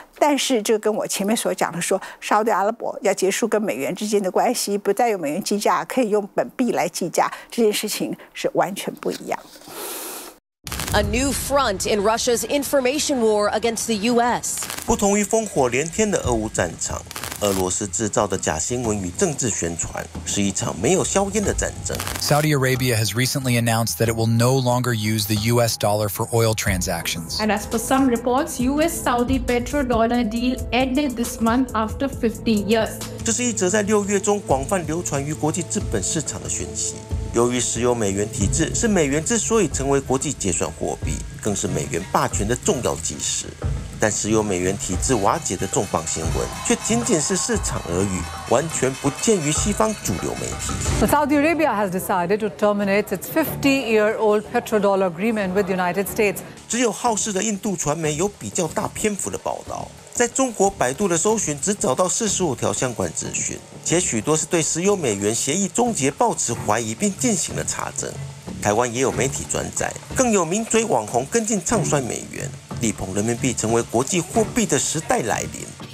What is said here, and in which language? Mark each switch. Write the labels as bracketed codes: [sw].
[zh] 但是这跟我前面所讲的说沙特阿拉伯要结束跟美元之间的关系，不再用美元计价，可以用本币来计价，这件事情是完全不一样。 [en] A new front in Russia's information war against the U.S. [zh] 不同于烽火连天的俄乌战场，俄罗斯制造的假新闻与政治宣传是一场没有硝烟的战争。 [en] Saudi Arabia has recently announced that it will no longer use the U.S. dollar for oil transactions. And as per some reports, U.S.-Saudi petrodollar deal ended this month after 50 years. [zh] 这是一则在六月中广泛流传于国际资本市场的讯息。由于石油美元体制是美元之所以成为国际结算货币，更是美元霸权的重要基石，但石油美元体制瓦解的重磅新闻却仅仅是市场耳语，完全不见于西方主流媒体。 [en] Saudi Arabia has decided to terminate its 50-year-old petrodollar agreement with the United States. [zh] 只有好事的印度传媒有比较大篇幅的报道，在中国百度的搜寻只找到45条相关资讯，且许多是对石油美元协议终结抱持怀疑并进行了查证。台湾也有媒体转载，更有名嘴网红跟进唱衰美元，力捧人民币成为国际货币的时代来临。